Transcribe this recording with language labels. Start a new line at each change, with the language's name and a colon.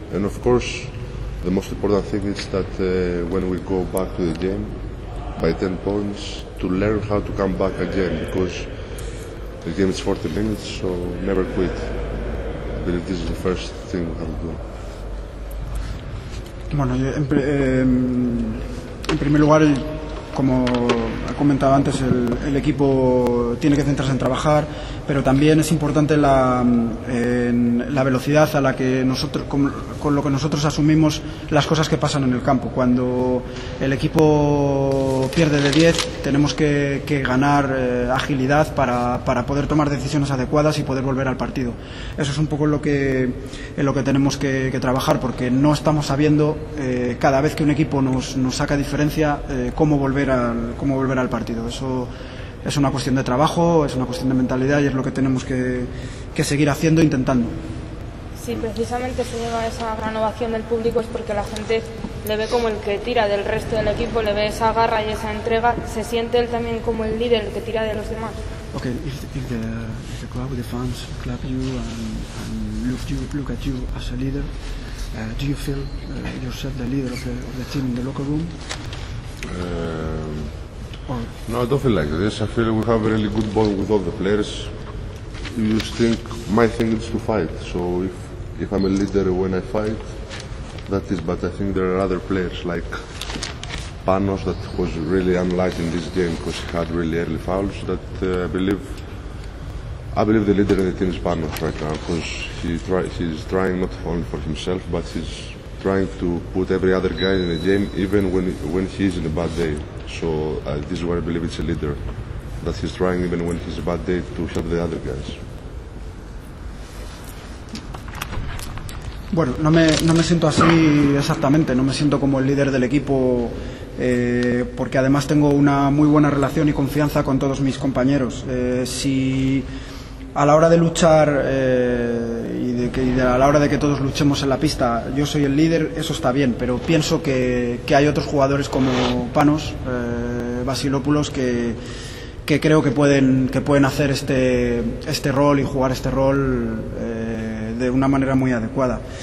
English: And of course, the most important thing is that when we go back to the game by 10 points, to learn how to come back again, because the game is 40 minutes, so never quit. I believe this is the first thing we have to do.
Spanish: Bueno, en primer lugar, como ha comentado antes, el equipo tiene que centrarse en trabajar, pero también es importante la velocidad a la que nosotros, con lo que nosotros asumimos las cosas que pasan en el campo. Cuando el equipo pierde de 10, tenemos que ganar agilidad para poder tomar decisiones adecuadas y poder volver al partido. Eso es un poco en lo que tenemos que trabajar, porque no estamos sabiendo cada vez que un equipo nos saca diferencia cómo volver al partido. Eso es una cuestión de trabajo, es una cuestión de mentalidad, y es lo que tenemos que seguir haciendo e intentando. Sí, precisamente se lleva esa gran ovación del público es porque la gente le ve como el que tira del resto del equipo, le ve esa garra y esa entrega. ¿Se siente él también como el líder, el que tira de los demás?
English: Okay, if the club, the fans clap you and look at you as a leader, do you feel yourself the leader of the team in the locker room? Or No, I don't feel like this. I feel we have a really good bond with all the players. You think my thing is to fight. So if I'm a leader when I fight, that is. But I think there are other players like Panos that was really unlucky in this game because he had really early fouls. That I believe the leader of the team is Panos right now because he's trying not only for himself but he's trying to put every other guy in the game even when he's in a bad day. So this is where I believe it's a leader, that he's trying even when he's a bad day to help the other guys.
Spanish: Bueno, no me siento así exactamente, no me siento como el líder del equipo, porque además tengo una muy buena relación y confianza con todos mis compañeros. Si a la hora de luchar y a la hora de que todos luchemos en la pista yo soy el líder, eso está bien, pero pienso que hay otros jugadores como Panos, Vasilopoulos, que creo que pueden hacer este rol y jugar este rol de una manera muy adecuada.